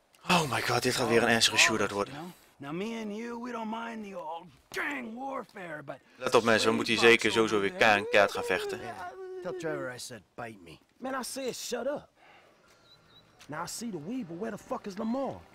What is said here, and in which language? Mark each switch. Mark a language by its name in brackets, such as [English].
[English] Oh my god, [Dutch] dit gaat weer een ernstige shootout worden. [English] Now me and you, we don't mind the old gang warfare, but... [Dutch] Let op mensen, we moeten hier zeker sowieso weer keihard gaan vechten. [English] Yeah. Tell Trevor I said bite me. Man, I said shut up. Now I see the weeble, where the fuck is Lamar?